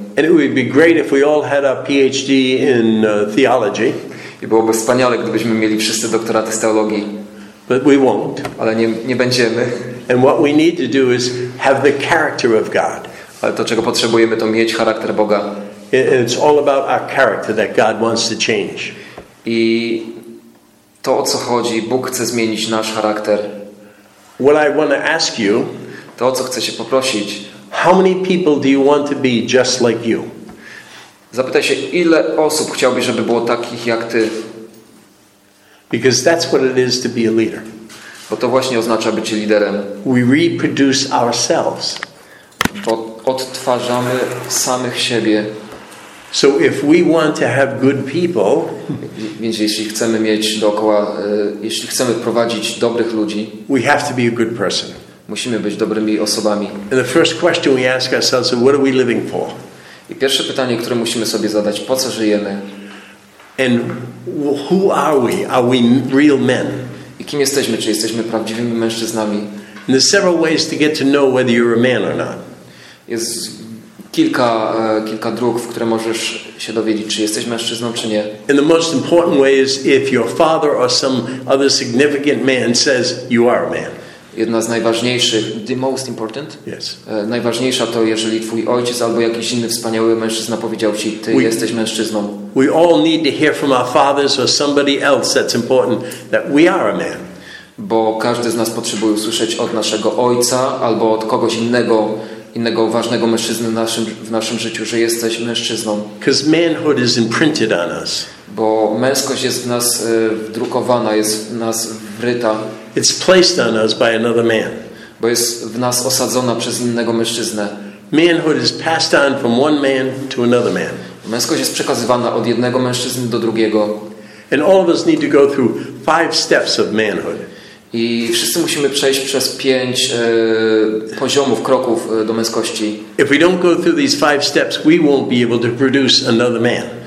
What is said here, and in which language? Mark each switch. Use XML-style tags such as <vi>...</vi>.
<en>And it would be great if we all had a PhD in theology.</en> <pl>I byłoby wspaniale, gdybyśmy mieli wszyscy doktoraty z teologii.</pl> <en>But we won't.</en> <pl>Ale nie będziemy.</pl> <en>And what we need to do is have the character of God.</en> <pl>Ale to, czego potrzebujemy, to mieć charakter Boga.</pl> <en>It's all about our character that God wants to change.</en> <pl>I to, o co chodzi, Bóg chce zmienić nasz charakter.</pl> <en>What I want to ask you,</en> <pl>to, o co chcę się poprosić,</pl> <en>how many people do you want to be just like you?</en> <pl>Zapytaj się, ile osób chciałbyś, żeby było takich jak ty?</pl> <en>Because that's what it is to be a leader.</en> <pl>Bo to właśnie oznacza być liderem.</pl> <en>We reproduce ourselves.</en> <pl>Odtwarzamy samych siebie.</pl> <en>So if we want to have good people,</en> <pl>więc jeśli chcemy mieć dookoła, jeśli chcemy prowadzić dobrych ludzi,</pl> <en>we have to be a good person.</en> <pl>Musimy być dobrymi osobami.</pl> <en>And the first question we ask ourselves is, what are we living for?</en> <pl>I pierwsze pytanie, które musimy sobie zadać, po co żyjemy?</pl> <en>And who are we? Are we real men?</en> <pl>I kim jesteśmy? Czy jesteśmy prawdziwymi mężczyznami?</pl> <en>And there's several ways to get to know whether you're a man or not.</en> <pl>Jest kilka dróg, w które możesz się dowiedzieć, czy jesteś mężczyzną, czy nie.</pl> <en>And the most important way is if your father or some other significant man says you are a man.</en> <pl>Jedna z najważniejszych,</pl> <en>the most important? Yes.</en> <pl>Najważniejsza to, jeżeli twój ojciec albo jakiś inny wspaniały mężczyzna powiedział ci, ty jesteś mężczyzną.</pl> <en>We all need to hear from our fathers or somebody else that's important that we are a man.</en> <pl>Bo każdy z nas potrzebuje usłyszeć od naszego ojca albo od kogoś innego ważnego mężczyzny w naszym życiu, że jesteś mężczyzną.</pl> <en>Because manhood is imprinted on us.</en> <pl>Bo męskość jest w nas wdrukowana, jest w nas wryta.</pl> <en>It's placed on us by another man.</en> <pl>Bo jest w nas osadzona przez innego mężczyznę.</pl> <en>Manhood is passed on from one man to another man.</en> <pl>Męskość jest przekazywana od jednego mężczyzny do drugiego.</pl> <en>And all of us need to go through 5 steps of manhood.</en> <pl>I wszyscy musimy przejść przez 5 poziomów, kroków do męskości.</pl> <en>If we don't go through these 5 steps, we won't be able to produce another man.</en>